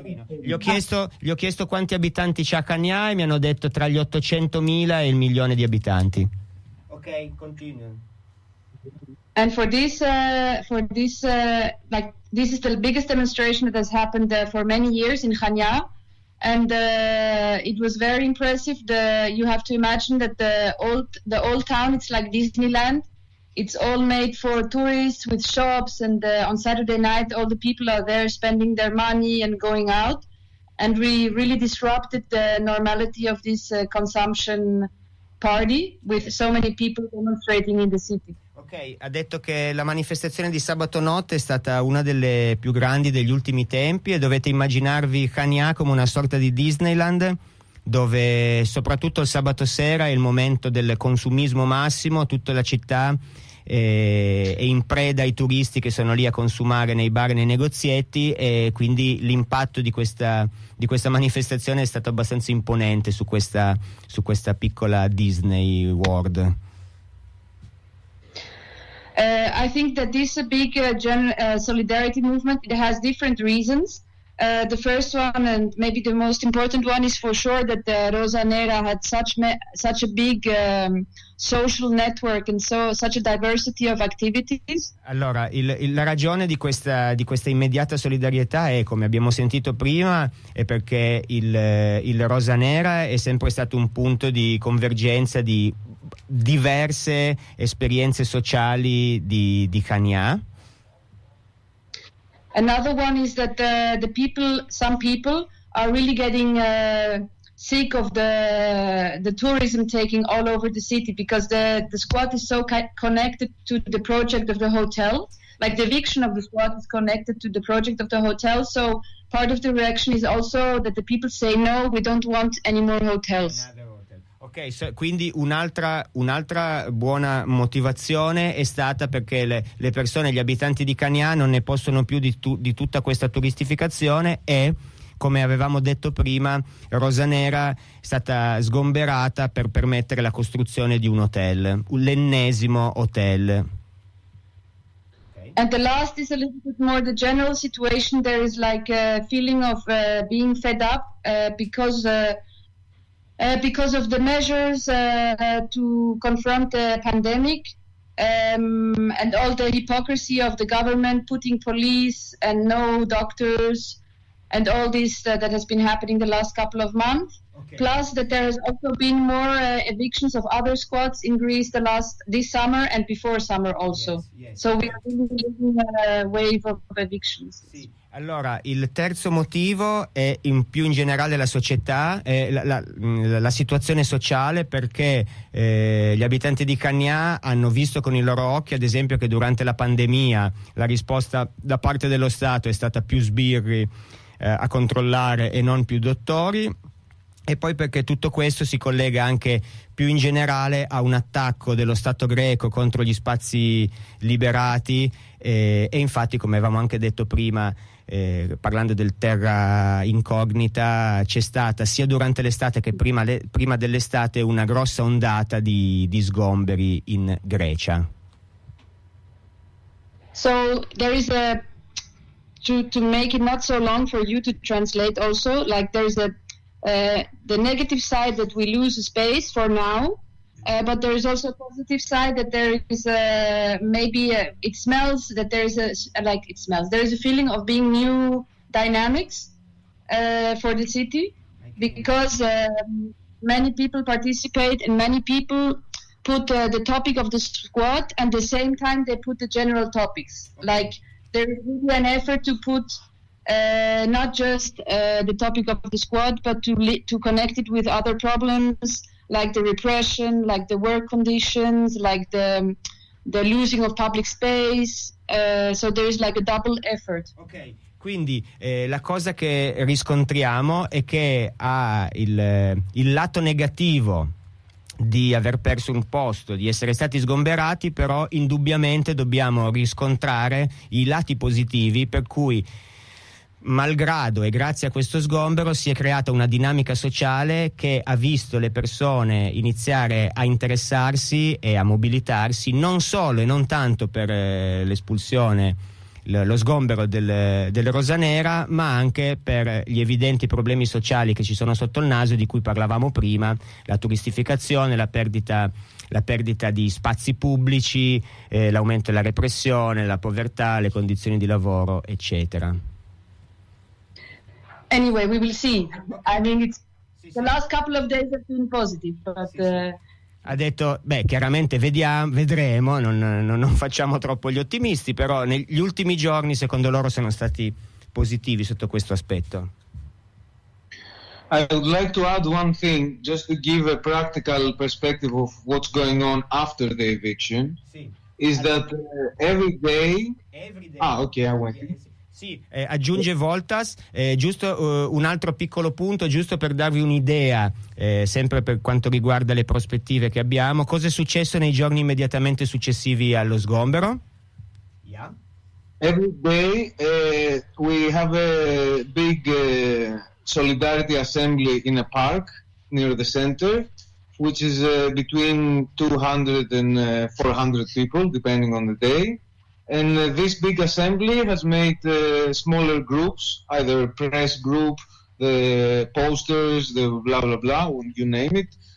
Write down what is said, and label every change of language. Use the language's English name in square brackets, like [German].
[Italian] Gli ho chiesto quanti abitanti c'ha Cagnà e mi hanno detto tra gli 800,000 e il milione di abitanti. [English] Ok, continue. And this is the biggest demonstration that has happened for many years in Cagnà. And it was very impressive. You have to imagine that the old town, it's like Disneyland. It's all made for tourists with shops and on Saturday night all the people are there spending their money and going out. And we really disrupted the normality of this consumption party with so many people demonstrating in the city. [Italian] Ok, ha detto che la manifestazione di sabato notte è stata una delle più grandi degli ultimi tempi e dovete immaginarvi Cagnà come una sorta di Disneyland, dove soprattutto il sabato sera è il momento del consumismo massimo, tutta la città è in preda ai turisti che sono lì a consumare nei bar e nei negozietti e quindi l'impatto di questa manifestazione è stato abbastanza imponente su questa piccola Disney World. [English] I think that this big solidarity movement it has different reasons. The first one and maybe the most important one is for sure that the Rosanera had such a big social network and so such a diversity of activities. [Italian] Allora, la ragione di questa immediata solidarietà è, come abbiamo sentito prima, è perché il Rosanera è sempre stato un punto di convergenza di diverse esperienze sociali di Cagnà. [English] Another one is that some people are really getting sick of the tourism taking all over the city because the squat is so connected to the project of the hotel. Like the eviction of the squat is connected to the project of the hotel. So part of the reaction is also that the people say no, we don't want any more hotels. [Italian] Ok, quindi un'altra buona motivazione è stata perché le persone, gli abitanti di Cagnà non ne possono più di tutta questa turistificazione e, come avevamo detto prima, Rosanera è stata sgomberata per permettere la costruzione di un hotel, l'ennesimo hotel. [English] And the last is a little bit more the general situation. There is like a feeling of being fed up because of the measures to confront the pandemic and all the hypocrisy of the government putting police and no doctors and all this that has been happening the last couple of months. Plus, that there has also been more evictions of other squads in Greece this summer and before summer also. Yes. So we are in a wave of evictions. [Italian] Sì. Allora, il terzo motivo è in più in generale la società, la situazione sociale, perché gli abitanti di Cagnà hanno visto con i loro occhi, ad esempio, che durante la pandemia la risposta da parte dello Stato è stata più sbirri a controllare e non più dottori. E poi perché tutto questo si collega anche più in generale a un attacco dello Stato greco contro gli spazi liberati e infatti, come avevamo anche detto prima, parlando del terra incognita, c'è stata sia durante l'estate che prima dell'estate una grossa ondata di sgomberi in Grecia. [English] So there is a to make it not so long for you to translate also, like there's a the negative side that we lose space for now, but there is also a positive side that there is it smells that there is a like it smells there is a feeling of being new dynamics for the city, because many people participate and many people put the topic of the squad, and at the same time they put the general topics. Like there is really an effort to put not just the topic of the squad, but to connect it with other problems like the repression, like the work conditions, like the losing of public space. So there is like a double effort. Okay. [Italian] Quindi la cosa che riscontriamo è che ha il lato negativo di aver perso un posto, di essere stati sgomberati, però indubbiamente dobbiamo riscontrare i lati positivi, per cui malgrado e grazie a questo sgombero si è creata una dinamica sociale che ha visto le persone iniziare a interessarsi e a mobilitarsi, non solo e non tanto per l'espulsione, lo sgombero del Rosanera, ma anche per gli evidenti problemi sociali che ci sono sotto il naso, di cui parlavamo prima, la turistificazione, la perdita di spazi pubblici, l'aumento della repressione, la povertà, le condizioni di lavoro, eccetera. [English] Anyway, we will see. I mean, it's the last couple of days have been positive, but [Italian] ha detto, beh, chiaramente vedremo, non facciamo troppo gli ottimisti, però negli ultimi giorni secondo loro sono stati positivi sotto questo aspetto. [English] I would like to add one thing, just to give a practical perspective of what's going on after the eviction. [Italian] Sì. [English] Is that every day. Okay, I went. [Italian] Sì, aggiunge Voltas, giusto un altro piccolo punto, giusto per darvi un'idea, sempre per quanto riguarda le prospettive che abbiamo, cosa è successo nei giorni immediatamente successivi allo sgombero? [English] Yeah. Every day we have a big solidarity assembly in a park near the center, which is between 200 and 400 people, depending on the day. And this big assembly has made smaller groups, either press group, the posters, the blah, blah, blah, you name it,